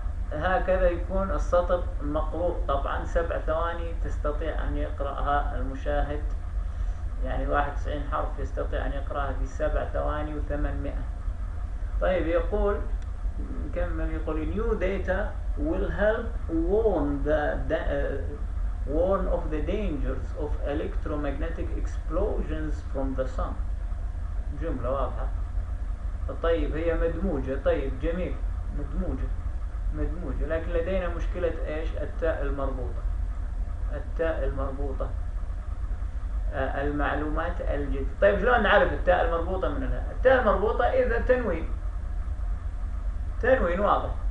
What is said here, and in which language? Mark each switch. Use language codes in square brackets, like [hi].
[ar] فهكذا يكون السطر مقروء. طبعا 7 ثواني تستطيع أن يقرأها المشاهد، يعني 91 حرف يستطيع أن يقرأها في 7 ثواني و800. طيب يقول كم من يقول [en] new data will help warn the warn of the dangers of electromagnetic explosions from the sun. [ar] جملة واضحة. طيب هي مدموجة، طيب جميل، مدموجة مدموجة، لكن لدينا مشكلة ايش؟ التاء المربوطة، التاء المربوطة. المعلومات الجد. طيب شلون نعرف التاء المربوطة من هنا؟ التاء المربوطة إذا تنوين، تنوين واضح.